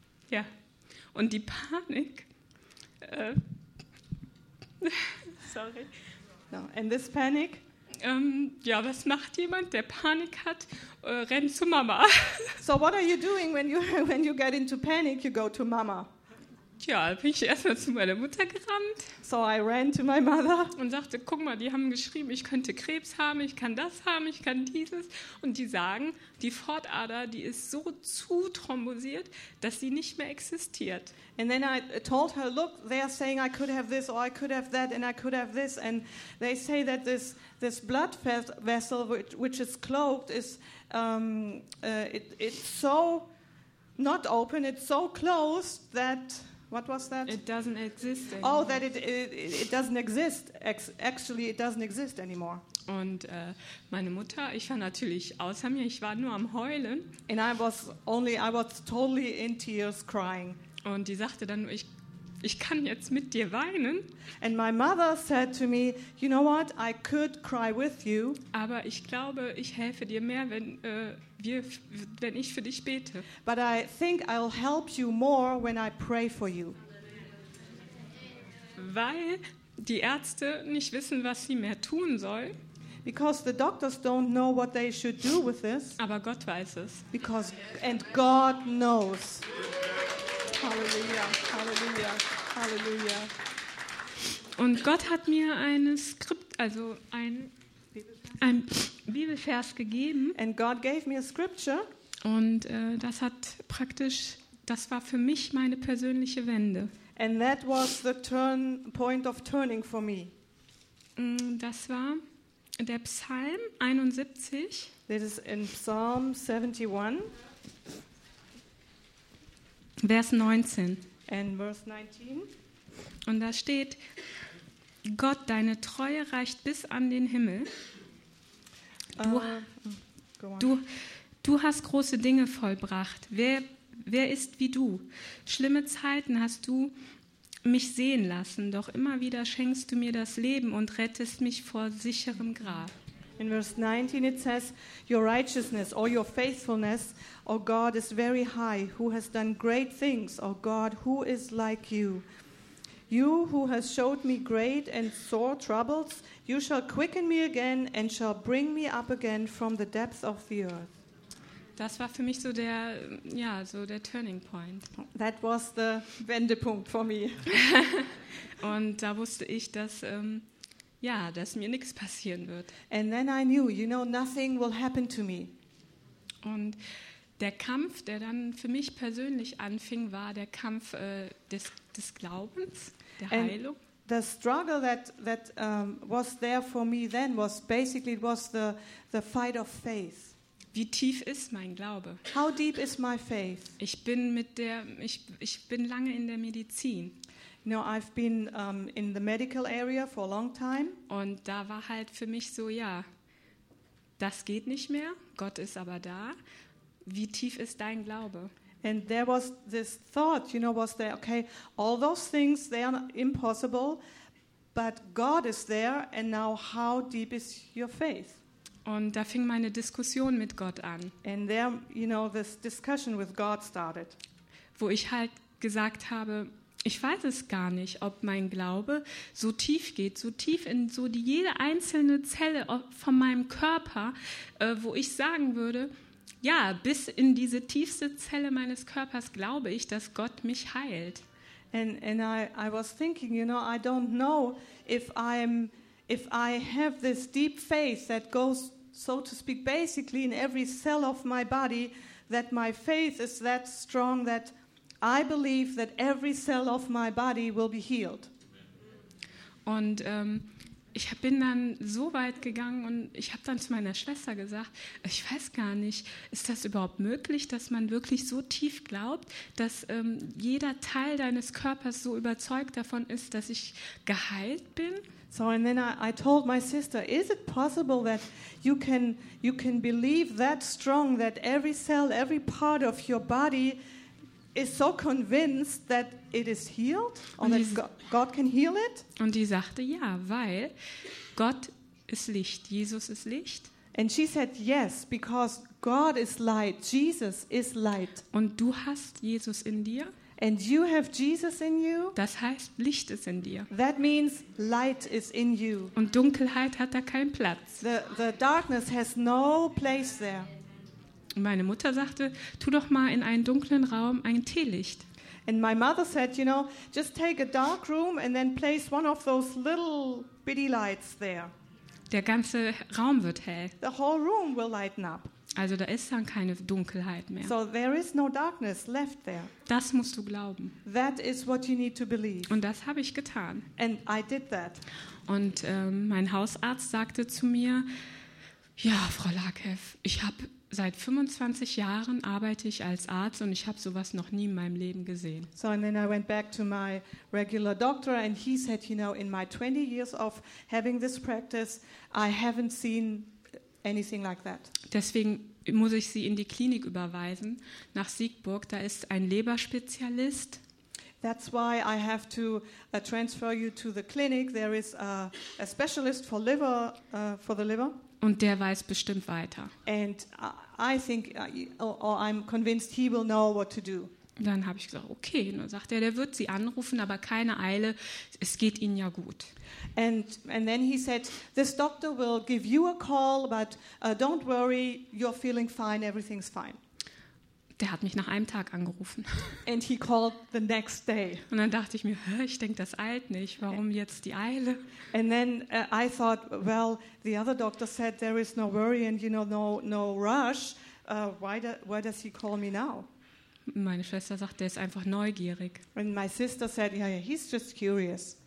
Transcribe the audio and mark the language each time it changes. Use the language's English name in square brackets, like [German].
[German] Ja. Und die Panik. [English] sorry. No. And this panic. [German] Ja, was macht jemand, der Panik hat? Rennt zu Mama. [English] So what are you doing when you get into panic? You go to Mama. [German] Ja, bin ich erstmal zu meiner Mutter gerannt. [English] So I ran to my mother. [German] Und sagte, guck mal, die haben geschrieben, ich könnte Krebs haben, ich kann das haben, ich kann dieses. Und die sagen, die Pfortader, die ist so zu thrombosiert, dass sie nicht mehr existiert. [English] And then I told her, look, they are saying I could have this or I could have that and I could have this. And they say that this blood vessel, which is cloaked, is it's so not open, it's so closed that... What was that? It doesn't exist anymore. Oh, that it doesn't exist. Actually, it doesn't exist anymore. [German] Und meine Mutter, ich war natürlich außer mir, ich war nur am Heulen. [English] And I was totally in tears crying. [German] Und die sagte dann, ich kann jetzt mit dir weinen. [English] And my mother said to me, you know what, I could cry with you. [German] Aber ich glaube, ich helfe dir mehr, wenn ich für dich bete. [English] But I think I'll help you more when I pray for you. [German] Weil die Ärzte nicht wissen, was sie mehr tun sollen. [English] Because the doctors don't know what they should do with this. [German] Aber Gott weiß es. [English] Because, and God knows. Hallelujah, hallelujah, hallelujah. [German] Und Gott hat mir ein Skript, also ein Bibelvers gegeben. [English] And God gave me a scripture. [German] Und das war für mich meine persönliche Wende. [English] And that was the point of turning for me. [German] Das war der Psalm 71. [English] This is in Psalm 71. [German] Vers 19. [English] And verse 19. [German] Und da steht, Gott, deine Treue reicht bis an den Himmel. Du hast große Dinge vollbracht. Wer ist wie du? Schlimme Zeiten hast du mich sehen lassen, doch immer wieder schenkst du mir das Leben und rettest mich vor sicherem Grab. [English] In verse 19 it says, your righteousness or your faithfulness, O God, is very high, who has done great things. O God, who is like you? You who has showed me great and sore troubles, you shall quicken me again and shall bring me up again from the depths of the earth. [German] Das war für mich so der, ja, so der [English] Turning Point. That was the Wendepunkt for me. [German] Und da wusste ich, dass... ja, dass mir nichts passieren wird. [English] And then I knew, you know, nothing will happen to me. [German] Und der Kampf, der dann für mich persönlich anfing, war der Kampf des Glaubens, der [English] and [German] Heilung. [English] The struggle that was there for me then was basically it was the fight of faith. [German] Wie tief ist mein Glaube? [English] How deep is my faith? [German] Ich bin ich bin lange in der Medizin. [English] No, I've been in the medical area for a long time. [German] Und da war halt für mich so, ja, das geht nicht mehr. Gott ist aber da. Wie tief ist dein Glaube? [English] And there was this thought, you know, was there, okay, all those things, they are impossible, but God is there, and now how deep is your faith? [German] Und da fing meine Diskussion mit Gott an. [English] And there, you know, this discussion with God started. [German] Wo ich halt gesagt habe, ich weiß es gar nicht, ob mein Glaube so tief geht, so tief in so die jede einzelne Zelle von meinem Körper, wo ich sagen würde, Ja, bis in diese tiefste Zelle meines Körpers glaube ich, dass Gott mich heilt. [English] And I was thinking, you know, I don't know if I have this deep faith that goes, so to speak, basically in every cell of my body, that my faith is that strong that I believe that every cell of my body will be healed. [German] Und ich bin dann so weit gegangen und ich habe dann zu meiner Schwester gesagt, ich weiß gar nicht, ist das überhaupt möglich, dass man wirklich so tief glaubt, dass jeder Teil deines Körpers so überzeugt davon ist, dass ich geheilt bin? [English] So, and then I told my sister, is it possible that you can believe that strong that every cell, every part of your body is so convinced that it is healed or that God can heal it? [German] Und die sagte ja, weil Gott ist Licht, Jesus ist Licht. [English] And she said yes, because God is light, Jesus is light. [German] Und du hast Jesus in dir. [English] And you have Jesus in you. [German] Das heißt, Licht ist in dir. [English] That means light is in you. [German] Und Dunkelheit hat da keinen Platz. [English] The darkness has no place there. [German] Meine Mutter sagte, tu doch mal in einen dunklen Raum ein Teelicht. [English] And my mother said, you know, just take a dark room and then place one of those little bitty lights there. [German] Der ganze Raum wird hell. [English] The whole room will lighten up. [German] Also da ist dann keine Dunkelheit mehr. [English] So there is no darkness left there. [German] Das musst du glauben. [English] That is what you need to believe. [German] Und das habe ich getan. [English] And I did that. [German] Und mein Hausarzt sagte zu mir, ja, Frau Lakeff, ich habe seit 25 Jahren arbeite ich als Arzt und ich habe sowas noch nie in meinem Leben gesehen. [English] So and then I went back to my regular doctor and he said, you know, in my 20 years of having this practice, I haven't seen anything like that. [German] Deswegen muss ich sie in die Klinik überweisen nach Siegburg, da ist ein Leberspezialist. [English] That's why I have to transfer you to the clinic. There is a specialist for liver for the liver. [German] Und der weiß bestimmt weiter. [English] And I think or I'm convinced he will know what to do. [German] Dann habe ich gesagt, okay, und dann sagt er, der wird sie anrufen, aber keine Eile, es geht ihnen ja gut. [English] And then he said, this doctor will give you a call, but don't worry, you're feeling fine, everything's fine. [German] Der hat mich nach einem Tag angerufen. [English] And he called the next day. [German] Und dann dachte ich mir, ich denke, das eilt nicht, warum jetzt die Eile? [English] And then I thought, well, the other doctor said, there is no worry and you know no rush, why does he call me now? [German] Meine Schwester sagt, der ist einfach neugierig. [English] And my sister said, yeah, he's just curious.